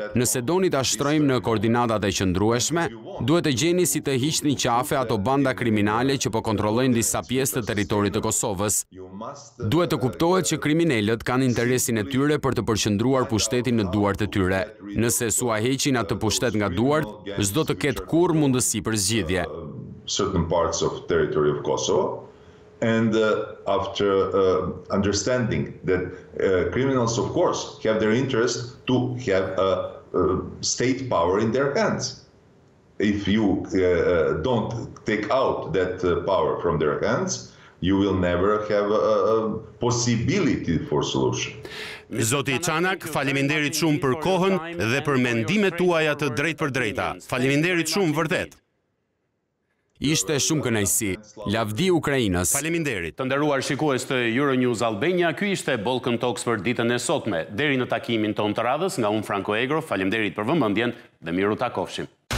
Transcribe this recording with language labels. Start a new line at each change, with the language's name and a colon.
Albanian: Nëse doni ta shtrojmë në koordinatat e qëndrueshme, duhet të gjeni si të hiqni qafe ato banda kriminale që po kontrollojnë disa pjesë të territorit të Kosovës. Duhet të kuptohet që kriminalët kanë interesin e tyre për të përqendruar pushtetin në duart e tyre. Nëse sua heqin atë pushtet nga duart, s'do të ketë kur mundësi për zgjidhje.
English: Certain parts of territory of Kosovo. And after understanding that criminals, of course, have their interest to have state power in their hands. If you don't take out that power from their hands, you will never have a possibility for solution.
Albanian: Zoti Çanak, faleminderit shumë për kohën dhe për mendimet tuaja të drejtë për drejta. Faleminderit shumë vërtet. Ishte shumë kënaqësi. Lavdi Ukrainës. Faleminderit. Të nderuar shikues të Euronews Albania, ky ishte Balkan Talks për ditën e sotme. Deri në takimin tonë të radhës, nga unë Franko Egro, faleminderit për vëmendjen dhe miru takofshim.